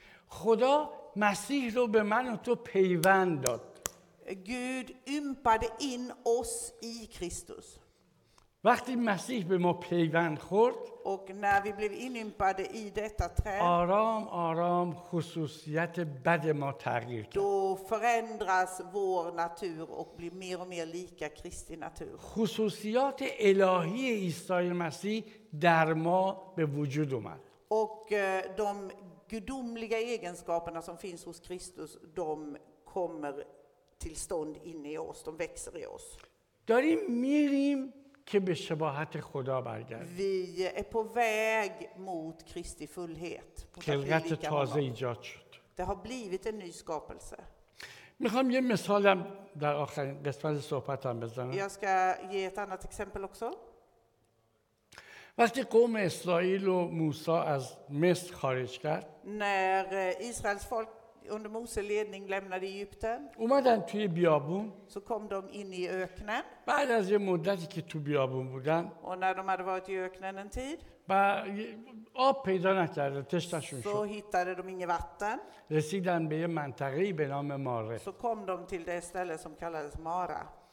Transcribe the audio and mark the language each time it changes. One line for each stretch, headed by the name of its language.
Persian: خدا مسیح رو به من و تو پیوند داد.
Swedish: Gud ympade in oss i Kristus.
Persian: وقتی مسیح به ما پیوند خورد
Swedish: och när vi blev inympade i detta träd,
Persian: آرام آرام خصوصیت بد ما تغییر کرد.
Swedish: Då förändras vår natur och blir mer och mer lika Kristi natur.
Persian: خصوصیات الهی عیسی مسیح در ما به وجود اومد.
Swedish: Och de gudomliga egenskaperna som finns hos Kristus, de kommer till stånd inne i oss, de växer i oss.
Persian: داریم میریم که به شباهت خدا برگردیم.
Swedish: Vi är på väg mot Kristi fullhet.
Persian: خلقت تازه ایجاد شد.
Swedish: Det har blivit en ny skapelse.
Persian: میخوام یه مثالم در آخرین قسمت صحبتم بزنم.
Swedish: Jag ska ge ett annat exempel också.
Persian: وقتی قوم اسرائیل و موسی از مصر خارج کرد،
Swedish: när Israels folk under Mose ledning lämnade Egypten.
Persian: اومدن توی بیابون.
Swedish: Så kom de in i öknen.
Persian: بعد از یه مدتی که تو بیابون بودن.
Swedish: Och när de hade varit i öknen en tid.
Persian: آب پیدا نکرده تشنشون شد.
Swedish: Så hittade de inget vatten.
Persian: رسیدن به یه منطقه‌ای به نام ماره.
Swedish: Så kom de till det ställe som kallades Mara.